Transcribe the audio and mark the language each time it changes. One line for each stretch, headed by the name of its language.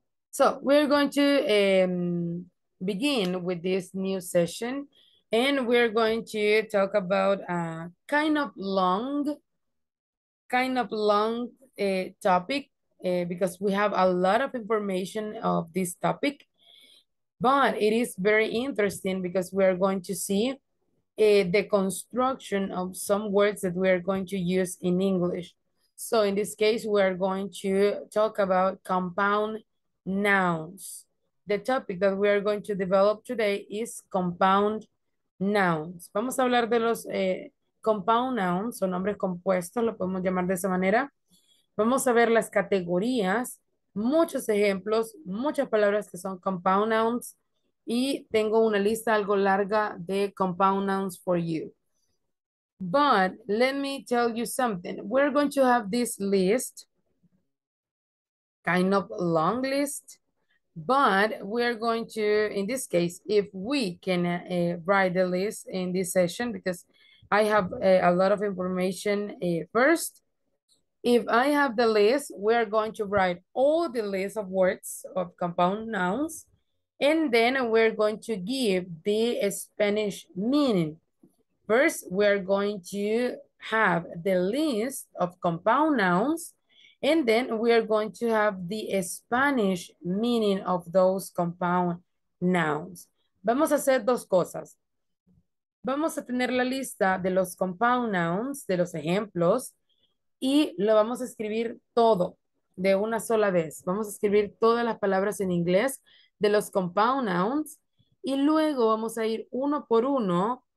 English: So we're going to begin with this new session, and we're going to talk about a kind of long topic, because we have a lot of information of this topic, but it is very interesting because we are going to see the construction of some words that we are going to use in English. So in this case, we are going to talk about compound nouns. The topic that we are going to develop today is compound nouns.
Spanish: Vamos a hablar de los
English: compound nouns,
Spanish: o nombres compuestos, lo podemos llamar de esa manera. Vamos a ver las categorías, muchos ejemplos, muchas palabras que son
English: compound nouns,
Spanish: y tengo una lista algo larga de
English: compound nouns for you. But let me tell you something. We're going to have this list, kind of long list, but we're going to, in this case, if we can write the list in this session, because I have a lot of information first. If I have the list, we're going to write all the list of words of compound nouns, and then we're going to give the Spanish meaning. First, we're going to have the list of compound nouns, and then we are going to have the Spanish meaning of those compound nouns.
Spanish: Vamos a hacer dos cosas. Vamos a tener la lista de los
English: compound nouns,
Spanish: de los ejemplos, y lo vamos a escribir todo de una sola vez. Vamos a escribir todas las palabras en inglés de los
English: compound nouns,
Spanish: y luego vamos a ir uno por uno.